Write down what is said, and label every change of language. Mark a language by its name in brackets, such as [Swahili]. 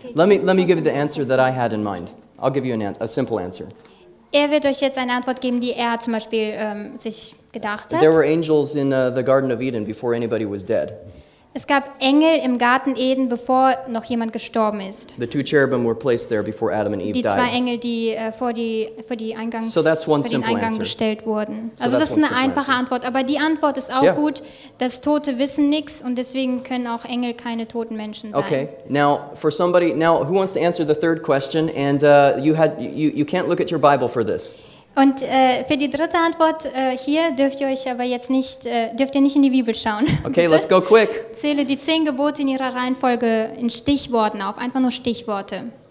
[English] Let me give you the answer that I had in mind. I'll give you a simple answer. [German] Er wird euch jetzt eine Antwort geben, die er zum Beispiel sich gedacht hat. [English] There were angels in the Garden of Eden before anybody was dead. [German] Es gab Engel im Garten Eden, bevor noch jemand gestorben ist. [English] The two cherubim were placed there before Adam and Eve died. [German] Die zwei Engel, die vor den Eingang gestellt wurden. Also das ist eine einfache Antwort. Aber die Antwort ist auch gut, dass Tote wissen nichts und deswegen können auch Engel keine toten Menschen sein. [English] Okay, now for somebody, now who wants to answer the third question? And you can't look at your Bible for this. [German] Und für die dritte Antwort hier dürft ihr euch aber jetzt nicht dürft ihr nicht in die Bibel schauen. [English] Okay, let's go quick. [German] Zähle die 10 Gebote in ihrer Reihenfolge in Stichworten auf, einfach nur Stichworte.